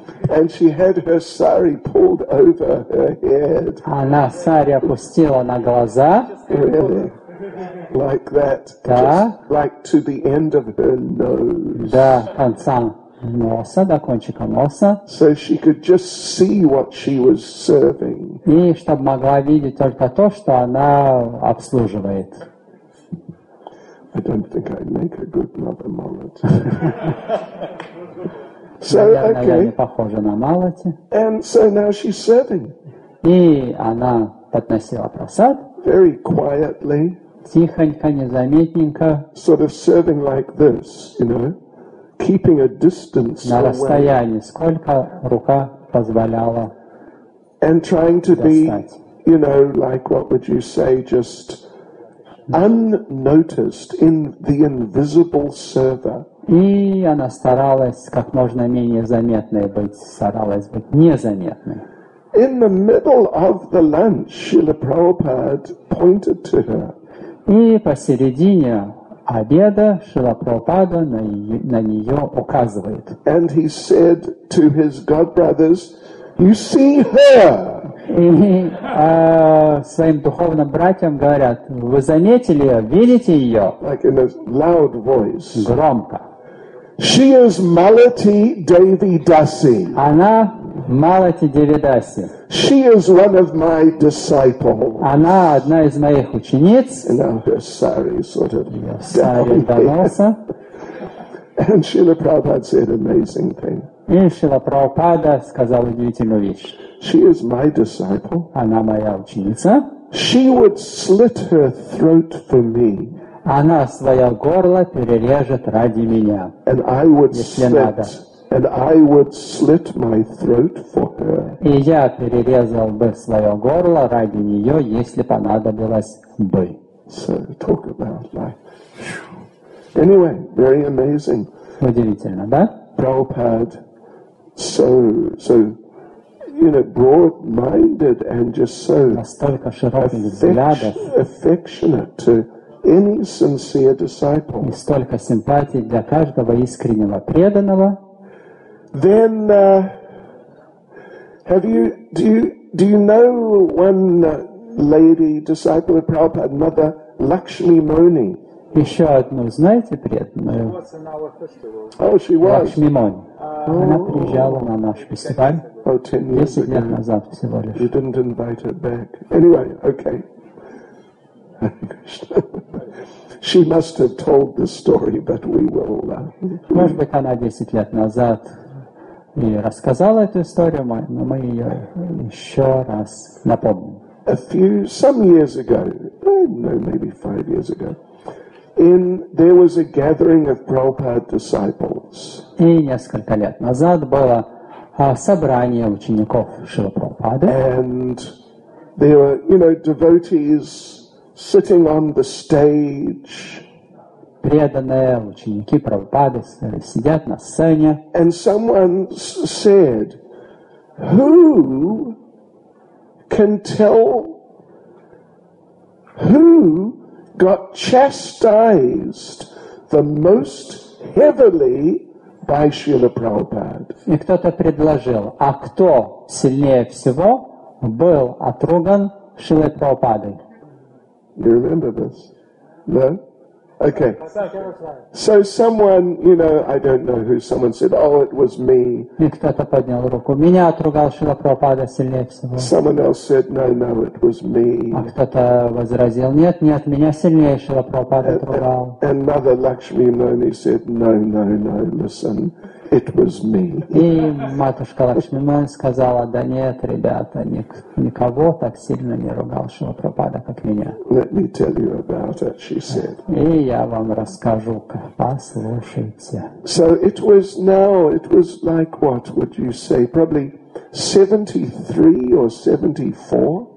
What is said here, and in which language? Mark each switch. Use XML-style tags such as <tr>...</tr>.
<en>And she had her sari pulled over her head.</en> <ru>Она сари опустила на глаза.</ru> <en>Really? Like that.</en> <ru>Да.</ru> <en>Just like to the end of her nose.</en> <ru>Да, конца носа, до кончика носа.</ru> <en>So she could just see what she was serving.</en> <ru>И чтобы могла видеть только то, что она обслуживает.</ru> <en>I don't think I'd make a good Mother Malati. So, okay.</en> <ru>Она не похожа на Малати.</ru> <en>And so now she's serving.</en> <ru>И она подносила просад.</ru> <en>Very quietly.</en> <ru>Тихонько, незаметненько.</ru> <en>Sort of serving like this, you know. Keeping a distance</en> <ru>на расстоянии, сколько рука позволяла.</ru> <en>And trying to be, you know, like what would you say, just unnoticed in the invisible server.</en> <ru>И она старалась как можно менее заметной быть, старалась быть незаметной.</ru> <en>In the middle of the lunch, Srila Prabhupada pointed to her.</en> <ru>И посередине обеда Шрила Прабхупада на нее указывает.</ru> <en>And he said to his godbrothers, "You see her."</en> <ru>И своим духовным братьям говорят: "Вы заметили ее? Видите ее?"</ru> <en>Like in a loud voice.</en> <ru>Громко.</ru> <en>She is Malati Devi Dasi.</en> <ru>Она Малати Девидаси.</ru> <en>She is one of my disciples.</en> <ru>Она одна из моих учениц.</ru> <en>And now her sari sort of down. And Srila Prabhupada said an amazing thing.</en> <ru>И Шрила Прабхупада сказал удивительную вещь.</ru> <en>She is my disciple.</en> <ru>Она моя ученица.</ru> <en>She would slit her throat for me.</en> <ru>Она свое горло перережет ради меня.</ru> <en>And I would</en> <ru>если</ru> <en>slit.</en> <ru>Надо.</ru> <en>And I would slit my throat for her.</en> <ru>И я перерезал бы свое горло ради нее, если понадобилось бы.</ru> <en>So talk about life. Anyway, very amazing.</en> <ru>Удивительно, да?</ru> <en>Prabhupada, so, you know, broad-minded and just so</en> <ru>настолько широких взглядов,</ru> <en>affectionate to any sincere disciple.</en> <ru>И столько симпатий для каждого искреннего преданного.</ru> <en>Then, do you know one lady disciple of Prabhupada, Mother Lakshmi Moni?</en> <ru>Еще одну знаете преданную?</ru> <en>Oh, she was.</en> <ru>Лакшми Мони. Она приезжала на наш фестиваль.</ru> <en>Oh, 10</en> <ru>лет</ru> <en>ago.</en> <ru>Назад всего лишь.</ru> <en>You didn't invite her back. Anyway, okay. She must have told the story, but we will.</en> <ru>Может быть, она 10 лет назад и рассказала эту историю, но мы ее еще раз напомним.</ru> <en>A few, some years ago, no, maybe 5 years ago, in there was a gathering of Prabhupada disciples.</en> <ru>И несколько лет назад было собрание учеников Шрилы Прабхупады.</ru> <en>And there were, you know, devotees sitting on the stage.</en> <ru>Преданные ученики Прабхупады сидят на сцене.</ru> <en>And someone said, "Who can tell who got chastised the most heavily by Srila Prabhupada?"</en> <ru>И кто-то предложил, а кто сильнее всего был отруган Шрилой Прабхупадой?</ru> <en>You remember this? No? Okay. So someone, you know, I don't know who, someone said, "Oh, it was me."</en> <ru>И кто-то поднял руку. Меня отругал Шрила Прабхупада сильнее всего.</ru> <en>Someone else said, "No, it was me."</en> <ru>А кто-то возразил, нет, меня сильнее Шрила Прабхупада отругал.</ru> <en>And Mother Lakshmi Moni said, no, listen, it was me.</en> <ru>И матушка Лакшми Мони сказала, да нет, ребята, никого так сильно не ругал Шрила Прабхупада, как меня.</ru> <en>Let me tell you about it, she said.</en> <ru>И я вам расскажу, послушайте.</ru> <en>So it was like, what would you say, probably 73 or 74?</en>